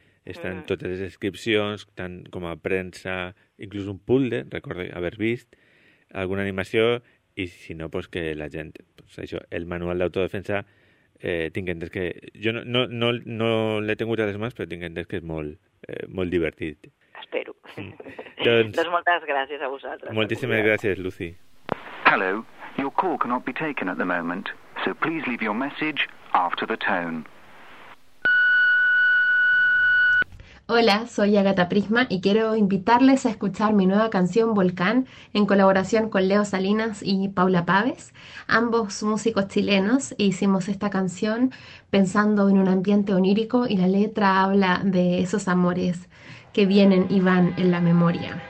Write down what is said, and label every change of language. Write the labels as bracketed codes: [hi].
[ca] Estan totes les descripcions, tant com a premsa, inclús un puzzle, recordo haver vist, alguna animació... I si no, pues que la gent, pues això, el manual d'autodefensa, tinc entès que... Jo no l'he tingut a les mans, però tinc entès que és molt, molt divertit. Espero. Doncs moltes gràcies a vosaltres. Moltíssimes gràcies, Lucy. [en] Hello, your call cannot be taken at the moment, so please leave your message after the tone. [es] Hola, soy Agatha Prisma y quiero invitarles a escuchar mi nueva canción Volcán en colaboración con Leo Salinas y Paula Paves, ambos músicos chilenos. Hicimos esta canción pensando en un ambiente onírico y la letra habla de esos amores que vienen y van en la memoria.